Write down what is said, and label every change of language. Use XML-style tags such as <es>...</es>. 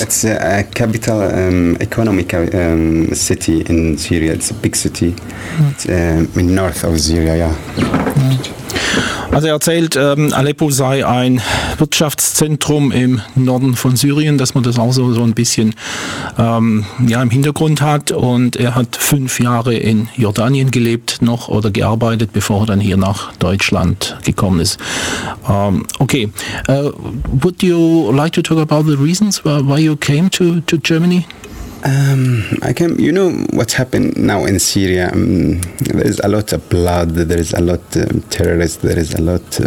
<en>Yeah, it's a capital economic city in Syria. It's a big city in north of Syria, yeah.</en> <de>Also er erzählt, Aleppo sei ein Wirtschaftszentrum im Norden von Syrien, dass man das auch so ein bisschen ja, im Hintergrund hat. Und er hat 5 Jahre in Jordanien gelebt noch oder gearbeitet, bevor er dann hier nach Deutschland gekommen ist.</de> <en>Okay, would you like to talk about the reasons why you came to Germany? I can, you know, what's happened now in Syria, there is a lot of blood, there is a lot of terrorists, there is a lot.</en>